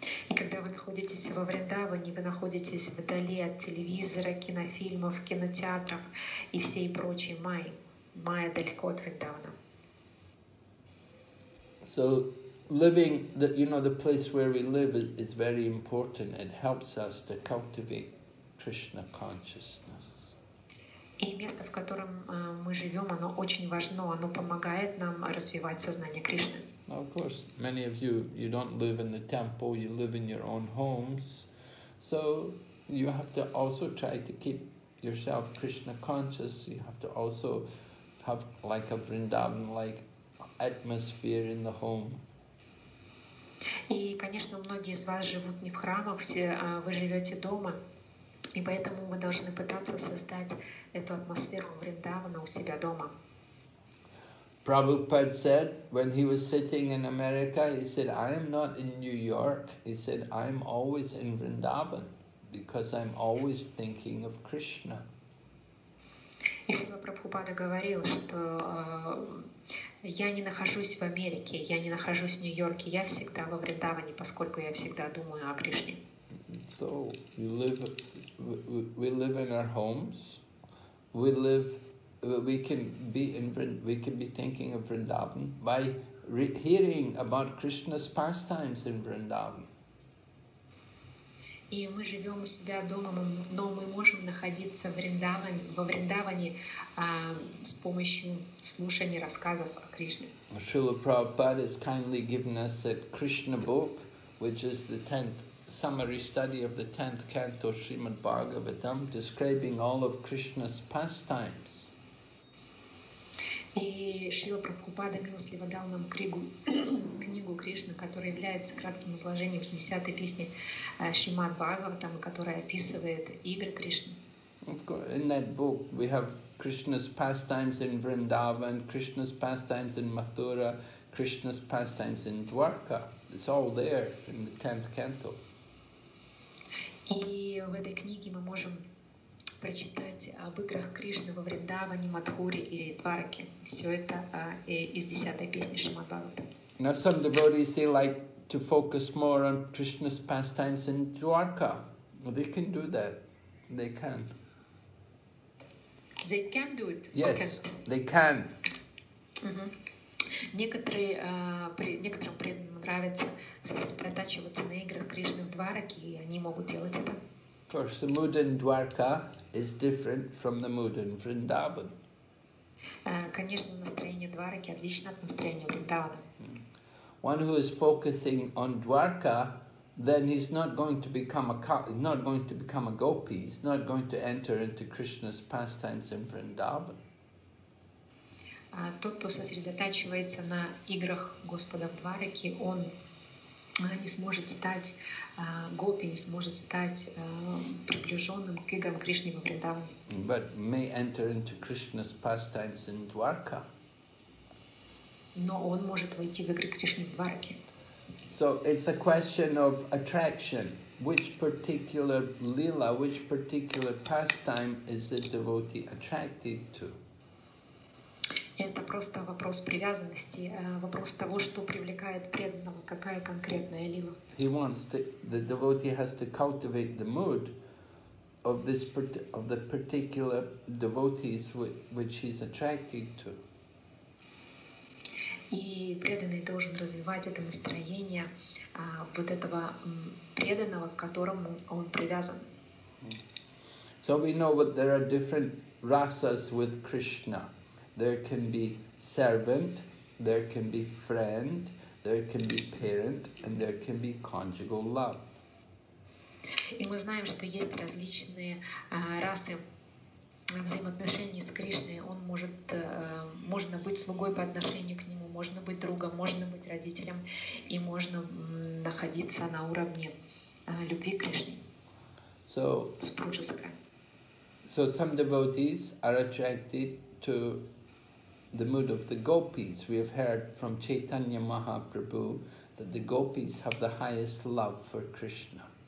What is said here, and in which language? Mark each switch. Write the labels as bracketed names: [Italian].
[Russian] И когда вы находитесь во Вриндаване, вы находитесь вдали от телевизора, кинофильмов, кинотеатров и всей прочей Майи. Майя далеко от Вриндавана. [English] So living the place where we live is very important. It helps us to cultivate Krishna consciousness. [Russian] И место, в котором мы живем, оно очень важно. Оно помогает нам развивать сознание Кришны. [English] Of course, many of you don't live in the temple, you live in your own homes. So you have to also try to keep yourself Krishna conscious. You have to also have like a Vrindavan-like atmosphere in the home. [Russian] И, конечно, многие из вас живут не в храмах, все, вы живете дома, и поэтому мы должны пытаться создать эту атмосферу Вриндавана у себя дома. [English] Prabhupada said, when he was sitting in America, he said, I am not in New York. He said, I am always in Vrindavan, because I am always thinking of Krishna. [Russian] И Шрила Прабхупада говорил, что я не нахожусь в Америке, я не нахожусь в Нью-Йорке, я всегда во Вриндаване, поскольку я всегда думаю о Кришне. [English] So we live in our homes, we can be thinking of Vrindavan by hearing about Krishna's pastimes in Vrindavan. [Russian] И мы живем у себя дома, но мы можем находиться во Вриндаване с помощью слушания рассказов о Кришне. [English] Шрила Прабхупада has kindly given us the Krishna book, which is the 10th summary study of the 10th canto Srimad Bhagavatam, describing all of Krishna's pastimes. [Russian] И Шрила Прабхупада милостливо дал нам книгу Кришны, которая является кратким изложением 60-й песни Шримад Бхагаватам, которая описывает игры Кришны. [English] In that book we have Krishna's pastimes in Vrindavan, Krishna's pastimes in Mathura, Krishna's pastimes in Dwarka. It's all there in the 10th canto. [Russian] И в этой книге мы можем прочитать об играх Кришны во Вриндаване, Матхуре и Дварке. Все это из 10-й песни Шримад Бхагаватам. [English] Now some devotees, they like to focus more on Krishna's pastimes in Dwarka. Well, they can do that. They can. They can do it? Yes, okay. They can. [Russian] Некоторым преданным нравится сосредотачиваться на играх Кришны в Двараке, и они могут делать это. [English] Of course, the mood in Dwarka is different from the mood in Vrindavan. [Russian] Конечно, настроение Двараки отлично от настроения Вриндавана. [English] One who is focusing on Dwarka, then he's not going to become a gopi. He's not going to enter into Krishna's pastimes in Vrindavan. [Russian] Тот, кто сосредотачивается на играх Господа в Двараке, он не сможет стать гопи, не сможет стать приближенным к играм Кришны во Вриндаване. [English] But may enter into Krishna's pastimes in Dwarka. [Russian] Но он может войти в игры Кришны в Двараке. [English] So it's a question of attraction. Which particular lila, which particular pastime is the devotee attracted to? [Russian] Это просто вопрос привязанности, вопрос того, что привлекает преданного, какая конкретная лила. [English] He wants to, the devotee has to cultivate the mood of this of the particular devotees which he's attracted to. [Russian] И преданный должен развивать это настроение вот этого преданного, к которому он привязан. [English] So we know that there are different rasas with Krishna. There can be servant, there can be friend, there can be parent, and there can be conjugal love. [Russian] И мы знаем, что есть различные расы взаимоотношений с Кришной. Он может, можно быть слугой по отношению к нему, можно быть другом, можно быть родителем, и можно находиться на уровне любви к Кришне. [English] So, [Russian] супружеская. [English] So some devotees are attracted to the mood of the gopis. We have heard from Chaitanya Mahaprabhu that the gopis have the highest love for Krishna.